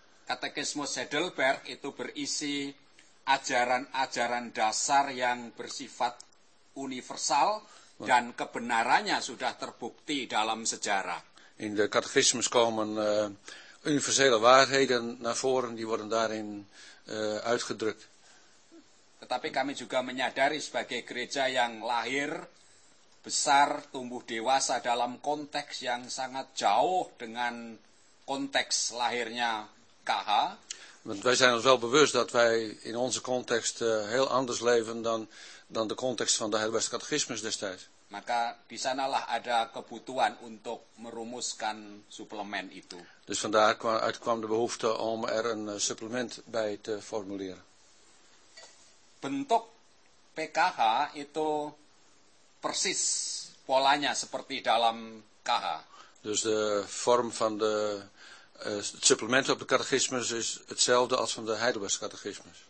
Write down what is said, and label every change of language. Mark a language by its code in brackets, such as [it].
[id] Katekismus Heidelberg itu berisi ajaran-ajaran dasar yang bersifat universal dan kebenarannya sudah terbukti dalam sejarah. [nl] In de catechismus komen universele waarheden naar voren, die worden daarin uitgedrukt. [id] Tetapi kami juga menyadari sebagai gereja yang lahir, besar, tumbuh dewasa dalam konteks yang sangat jauh dengan context lahirnya KH. [nl] Want wij zijn ons wel bewust dat wij in onze context heel anders leven dan de context van de Heilige Catechismus destijds. [id] Maka di sanalah ada kebutuhan untuk merumuskan suplemen itu. [nl] Dus vandaar uitkwam de behoefte om er een supplement bij te formuleren. [id] Bentuk PKH itu persis polanya seperti dalam KH. [nl] Dus de vorm van de het supplement op de catechismus is hetzelfde als van de Heidelbergse catechismus.